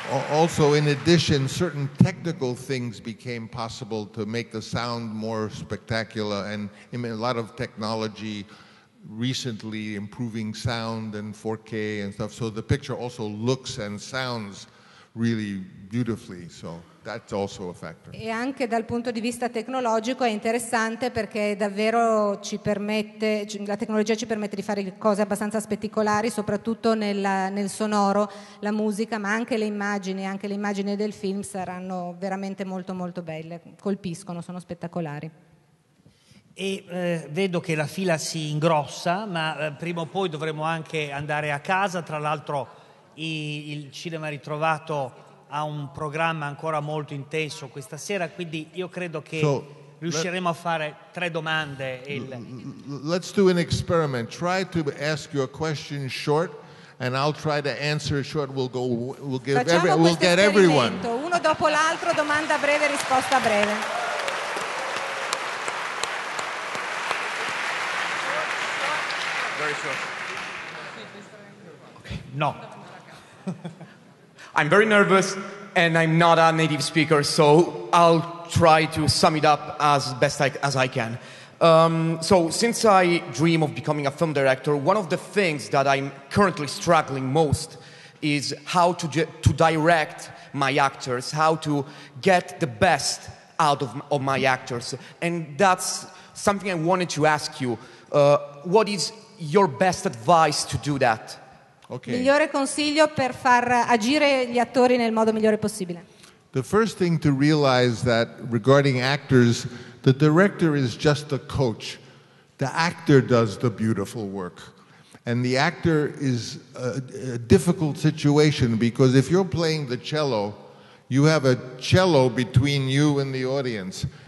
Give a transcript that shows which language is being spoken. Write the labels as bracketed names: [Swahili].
[English] Also, in addition, certain technical things became possible to make the sound more spectacular, and a lot of technology recently improving sound and 4K and stuff, so the picture also looks and sounds really beautifully, so that's also a factor. [Italian] E anche dal punto di vista tecnologico è interessante, perché davvero ci permette, la tecnologia ci permette di fare cose abbastanza spettacolari, soprattutto nel sonoro, la musica, ma anche le immagini del film saranno veramente molto molto belle, colpiscono, sono spettacolari. E vedo che la fila si ingrossa, ma prima o poi dovremo anche andare a casa. Tra l'altro il Cinema Ritrovato ha un programma ancora molto intenso questa sera, quindi io credo che riusciremo a fare tre domande. [English] Let's do an experiment. Try to ask your question short and I'll try to answer short. We'll get everyone. [Italian] Uno dopo l'altro, domanda breve, risposta breve. No. [English] I'm very nervous and I'm not a native speaker, so I'll try to sum it up as best as I can. So since I dream of becoming a film director, one of the things that I'm currently struggling most is how to direct my actors, how to get the best out of my actors. And that's something I wanted to ask you. What is your best advice to do that? Okay. [Italian] Migliore consiglio per far agire gli attori nel modo migliore possibile. [English] The first thing to realize that regarding actors, the director is just a coach. The actor does the beautiful work. And the actor is a difficult situation, because if you're playing the cello, you have a cello between you and the audience.